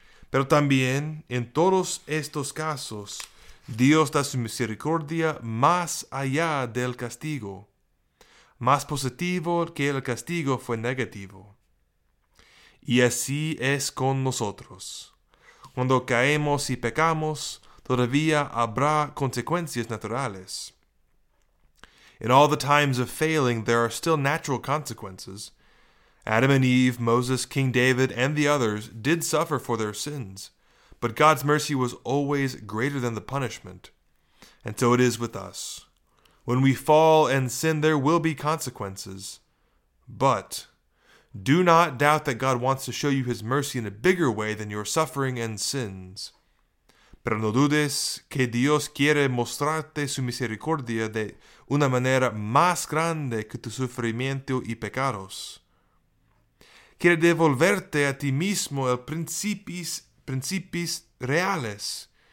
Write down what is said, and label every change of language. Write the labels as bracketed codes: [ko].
[es] Pero también, en todos estos casos, Dios da su misericordia más allá del castigo. Más positivo que el castigo fue negativo. Y así es con nosotros. Cuando caemos y pecamos, todavía habrá consecuencias naturales. [en] In all the times of failing, there are still natural consequences. Adam and Eve, Moses, King David, and the others did suffer for their sins, but God's mercy was always greater than the punishment. And so it is with us. When we fall and sin, there will be consequences. But do not doubt that God wants to show you his mercy in a bigger way than your suffering and sins. [es] Pero no dudes que Dios quiere mostrarte su misericordia de una manera más grande que tu sufrimiento y pecados. Quiere devolverte a ti mismo el principios reales.